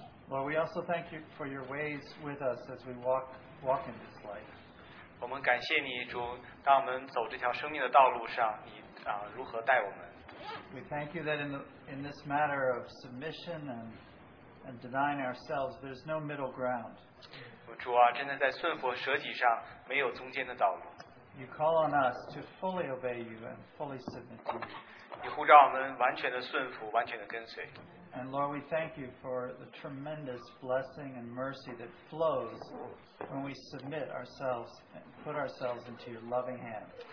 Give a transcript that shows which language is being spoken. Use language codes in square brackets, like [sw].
[en] Lord, we also thank you for your ways with us as we walk in this life. [zh] 我们感谢你,主, 当我们走这条生命的道路上, 你, 啊, 如何带我们? [en] We thank you that in this matter of submission and denying ourselves, there's no middle ground. [zh] 主啊, 真的在顺服舍己上, 没有中间的道路。 [en] You call on us to fully obey you and fully submit to you. [zh] 你呼召我们完全的顺服, 完全的跟随。 [en] And Lord, we thank you for the tremendous blessing and mercy that flows when we submit ourselves and put ourselves into your loving hand.